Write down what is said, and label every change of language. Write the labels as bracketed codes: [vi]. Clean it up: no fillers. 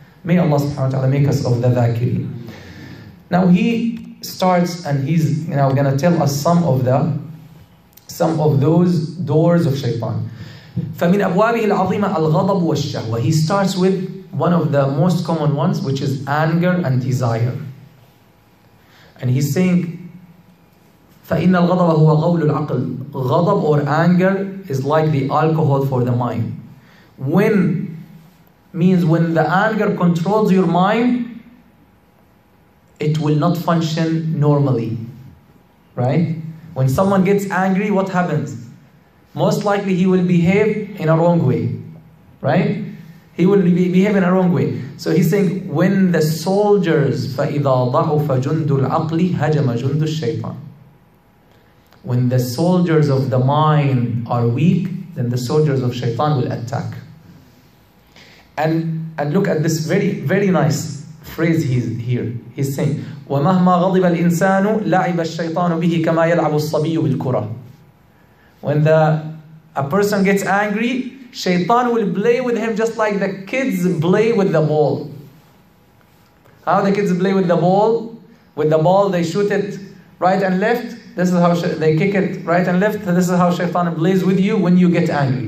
[en] May Allah subhanahu wa ta'ala make us of the dhakirin. Now he starts and he's now going to tell us some of those doors of shaitan. [ar] فَمِنْ أَبْوَابِهِ الْعَظِيمَةِ الْغَضَبُ وَالشَّهْوَةِ. [en] He starts with one of the most common ones, which is anger and desire. And he's saying, [ar] فَإِنَّ الْغَضَبَ هُوَ غَوْلُ الْعَقْلِ. [en] Ghadab or anger is like the alcohol for the mind. When means when the anger controls your mind, it will not function normally. Right? When someone gets angry, what happens? Most likely he will behave in a wrong way. Right? He will behave in a wrong way. So he's saying, when the soldiers, [ar] فَإِذَا ضَعُفَ جُنْدُ الْعَقْلِ هَجَمَ جُنْدُ الشَّيْطَانِ. [en] When the soldiers of the mind are weak, then the soldiers of shaitan will attack. And look at this very, very nice phrase here. He's saying, [ar] وَمَهْمَا غَضِبَ الْإِنسَانُ لَعِبَ الشَّيْطَانُ بِهِ كَمَا يَلْعَبُ الصَّبِيُّ بِالْكُرَةِ. [en] When a person gets angry, shaitan will play with him just like the kids play with the ball. How the kids play with the ball? With the ball, they shoot it right and left. This is how they kick it right and left. This is how shaitan plays with you when you get angry.